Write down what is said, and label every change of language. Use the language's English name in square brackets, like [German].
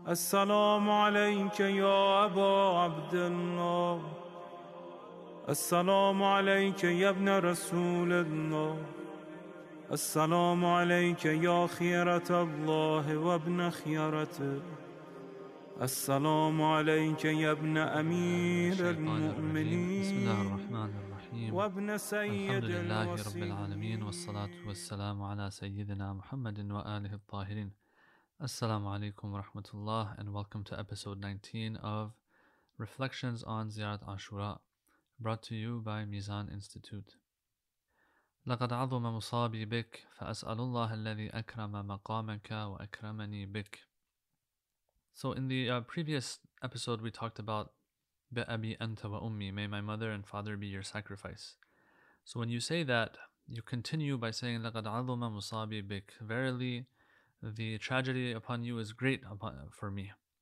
[Arabic] السلام عليك يا أبا عبد الله، السلام عليك يا ابن رسول الله، السلام عليك يا خيرة الله وابن خيرته، السلام عليك يا ابن أمير المؤمنين. بسم الله الرحمن الرحيم، وابن سيد الحمد لله رب العالمين، والصلاة والسلام على سيدنا محمد وآله الطاهرين. [English] Assalamu alaikum wa rahmatullah, and welcome to episode 19 of Reflections on Ziyarat Ashura, brought to you by Mizan Institute. [Arabic] لقد عظم مصابي بك فأسأل الله الذي أكرم مقامك وأكرمني بك. [English] So in the previous episode, we talked about [Arabic] بأبي أنت وأمي, [English] may my mother and father be your sacrifice. So when you say that, you continue by saying [Arabic] لقد عظم مصابي بك, [English] verily the tragedy upon you is great for me.